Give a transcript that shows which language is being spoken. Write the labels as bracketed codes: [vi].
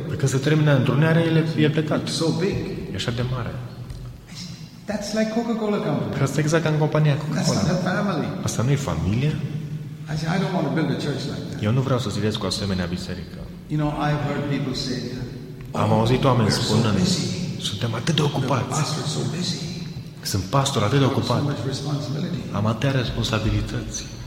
[ro] Păi când se termină întrunarea, el e plecat. [en] It's so big. [ro] E așa de mare. [en] That's like Coca-Cola company. [ro] Asta e exact ca în compania Coca-Cola. [en] That's not a family. [ro] Asta nu e familie? [en] I said, I don't want to build a church like that. [ro] Eu nu vreau să zidesc cu asemenea biserică. [en] You know, I've heard people say that. [ro] Am auzit oameni spunând: suntem atât de ocupați. Sunt pastor atât de ocupat. Am atâtea responsabilități.